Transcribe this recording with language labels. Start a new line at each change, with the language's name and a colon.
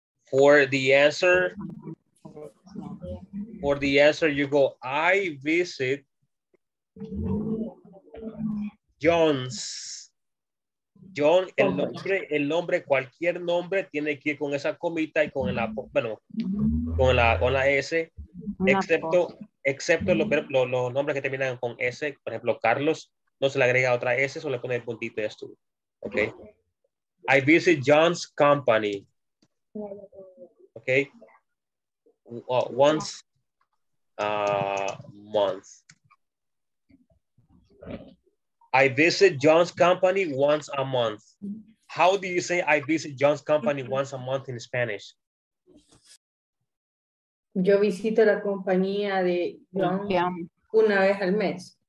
English: For the answer, you go, I visit John's.
Spanish: John, el nombre, cualquier nombre tiene que ir con esa comita y con la, bueno, con la S, excepto los nombres que terminan con S, por ejemplo, Carlos, no se le agrega otra S, solo le pone el puntito y esto.
English: Okay. I visit John's company. Okay. Once a month. I visit John's company once a month. How do you say I visit John's company once a month in Spanish?
Spanish: Yo visito la compañía de John una vez al mes.